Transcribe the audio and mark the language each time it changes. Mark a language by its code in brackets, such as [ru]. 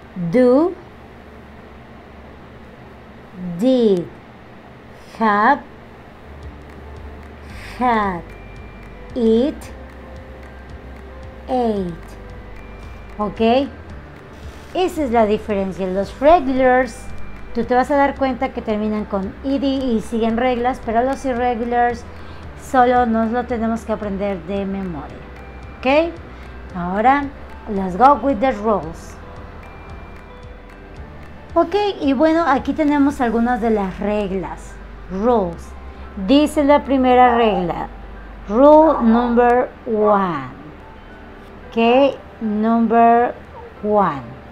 [en] Do, did, have, had, it, ate. ¿Ok? [es] Esa es la diferencia. Los regulars, tú te vas a dar cuenta que terminan con ed y siguen reglas, pero los irregulars solo nos lo tenemos que aprender de memoria. ¿Ok? [en] Ahora, let's go with the rules. [es] Ok, y bueno, aquí tenemos algunas de las reglas, rules. Dice la primera regla, [en] rule number one. Ok, number one.